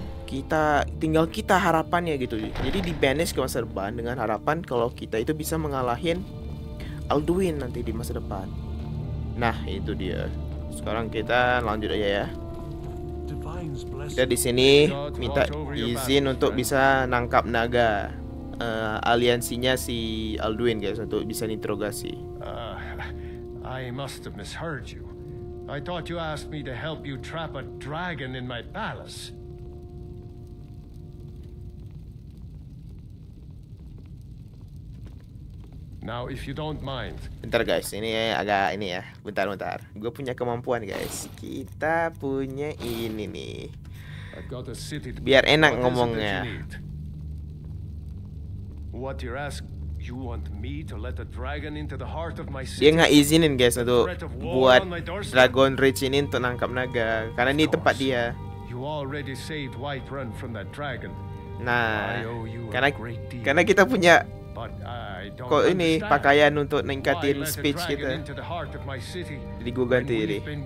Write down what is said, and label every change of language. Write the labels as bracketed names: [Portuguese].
[Indonesian] Kita tinggal kita harapannya gitu. Jadi di banish ke masa depan dengan harapan kalau kita itu bisa mengalahin Alduin nanti di masa depan. Nah itu dia. Sekarang kita lanjut aja ya. Kita di sini minta izin untuk bisa nangkap naga aliansinya si Alduin guys, untuk bisa interogasi. [English] I must have misheard you. I thought you asked me to help you trap a dragon in my palace. Now if you don't mind. [Indonesian] Bentar guys, ini agak ini ya. Bentar. Gua punya kemampuan guys. Kita punya ini nih. Biar enak ngomongnya. [English] What you ask, you want me to let a dragon into the heart of my city? [Indonesian] Dia enggak izinin guys untuk buat Dragon Reach ini untuk nangkap naga karena ini tempat dia. [English] You already saved White Run from that dragon. [Indonesian] Nah, karena kita punya kok ini pakaian untuk ningkatin speech kita. Jadi gue ganti ini.